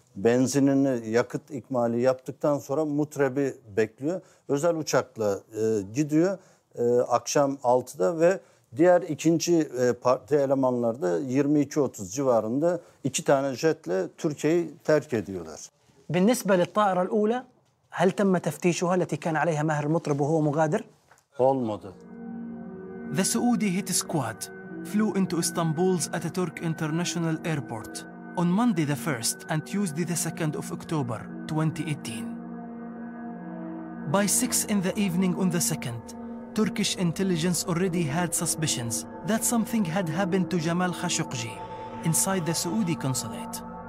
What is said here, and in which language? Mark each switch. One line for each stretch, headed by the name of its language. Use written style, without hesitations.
Turkish: Benzinini, yakıt ikmali yaptıktan sonra Mutrep'i bekliyor. Özel uçakla gidiyor akşam 6'da ve diğer ikinci parti elemanları da 22-30 civarında iki tane jetle Türkiye'yi terk ediyorlar.
Arabic: بالنسبة للطائرة الأولى هل تم تفتيشها التي كان عليها مهر المطرب وهو مغادر؟
Turkish: Olmadı.
English: The Saudi hit squad flew into Istanbul's Atatürk International Airport on Monday the 1st and Tuesday the 2nd of October 2018. By 6 in the evening on the 2nd, Turkish intelligence already had suspicions that something had happened to Jamal Khashoggi inside the Saudi consulate.